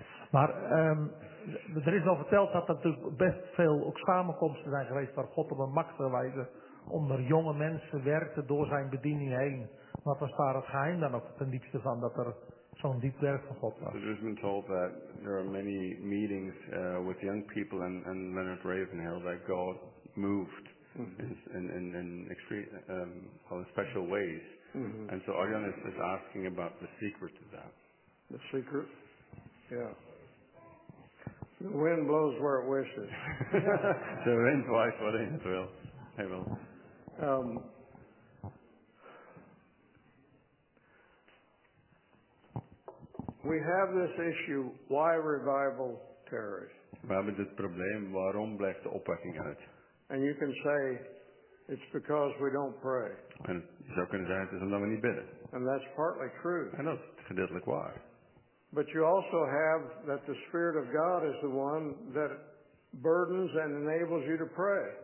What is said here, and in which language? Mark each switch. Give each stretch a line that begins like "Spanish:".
Dutch: Maar er is al verteld dat er natuurlijk best veel ook samenkomsten zijn geweest waar God op een machtige wijze onder jonge mensen werkte door zijn bediening heen. Wat was daar het geheim dan op ten diepste van dat er zo'n diep werk van God was?
English: It has been told that there are many meetings with young people and Leonard Ravenhill that God moved in special ways. Mm-hmm. And so Arjan is asking about the secret to that. The secret? Yeah. The wind blows where it wishes. The wind blows where it will. It will. We have this issue, why revival tarries.
Dutch: We hebben dit probleem, waarom blijft de opwekking uit?
English: And you can say, it's because we don't pray.
Dutch: En je zou kunnen zeggen, het is omdat we niet bidden.
English: And that's partly true.
Dutch: En dat is gedeeltelijk waar.
English: But you also have that the Spirit of God is the one that burdens and enables you to pray.